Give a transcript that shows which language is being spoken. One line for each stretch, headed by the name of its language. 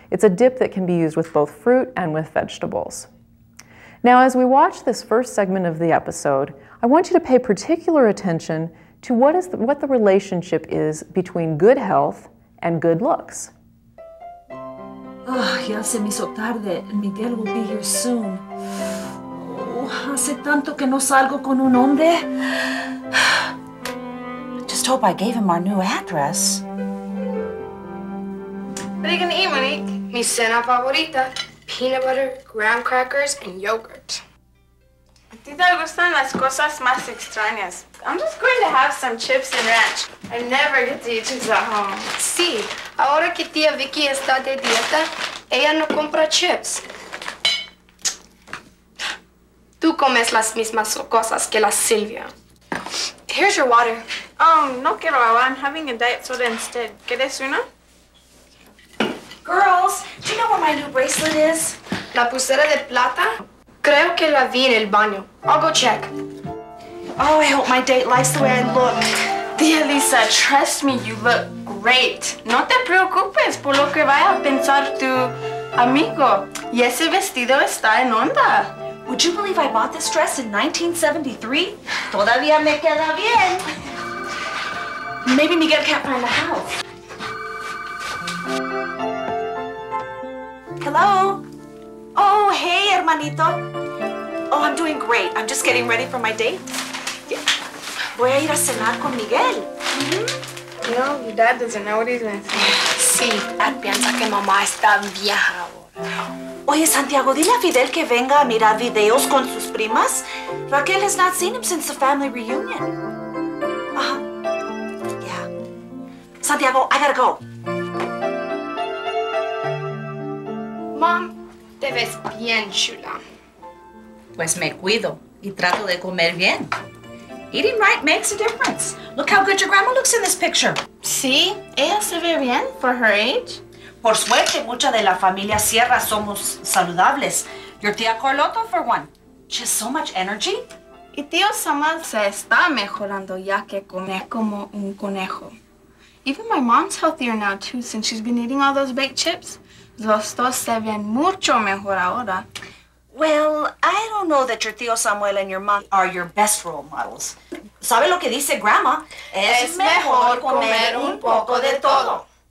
English: It's a dip that can be used with both fruit and with vegetables. Now, as we watch this first segment of the episode, I want you to pay particular attention to what the relationship is between good health and good looks.
Spanish: Ah, ya se me hizo tarde,
English: and Miguel will be here soon.
Spanish: Oh, hace tanto que no salgo con un hombre.
English: Just hope I gave him our new address. What are you gonna eat, Monique?
Spanish: Mi cena favorita.
English: Peanut butter, graham crackers, and yogurt.
Spanish: A ti te gustan las cosas más extrañas.
English: I'm just going to have some chips and ranch. I never get to eat chips at home.
Spanish: Sí, ahora que tía Vicky está de dieta, ella no compra chips. Tú comes las mismas cosas que la Silvia.
English: Here's your water.
Spanish: No quiero agua.
English: I'm having a diet soda instead.
Spanish: ¿Quieres una?
English: Girls, do you know where my new bracelet is?
Spanish: La pulsera de plata? Creo que la vi en el baño.
English: I'll go check. Oh, I hope my date likes the way I look. Tía Lisa, trust me, you look great.
Spanish: No te preocupes por lo que vaya a pensar tu amigo. Y ese vestido está en onda.
English: Would you believe I bought this dress in 1973?
Spanish: Todavía me queda bien.
English: Maybe Miguel can't find the house. Hello? Oh, hey, hermanito. Oh, I'm doing great. I'm just getting ready for my date. Yeah.
Spanish: Voy a ir a cenar con Miguel. Mm-hmm.
English: No, your dad doesn't know what he's going to say.
Spanish: Sí, dad piensa que mamá está vieja. Oye, Santiago, dile a Fidel que venga a mirar videos con sus primas.
English: Raquel has not seen him since the family reunion. Uh-huh. Yeah. Santiago, I gotta go. Mom,
Spanish: te ves bien chula. Pues me cuido y trato de comer bien.
English: Eating right makes a difference. Look how good your grandma looks in this picture.
Spanish: Sí, ella se ve bien
English: for her age.
Spanish: Por suerte, mucha de la familia Sierra somos saludables.
English: Your tía Carlota, for one. She has so much energy.
Spanish: Y tío Samuel se está mejorando ya que come como un conejo.
English: Even my mom's healthier now too since she's been eating all those baked chips.
Spanish: Los dos se ven mucho mejor ahora.
English: Well, I don't know that your tío Samuel and your mom are your best role models.
Spanish: ¿Sabe lo que dice grandma? Es mejor comer un poco de todo.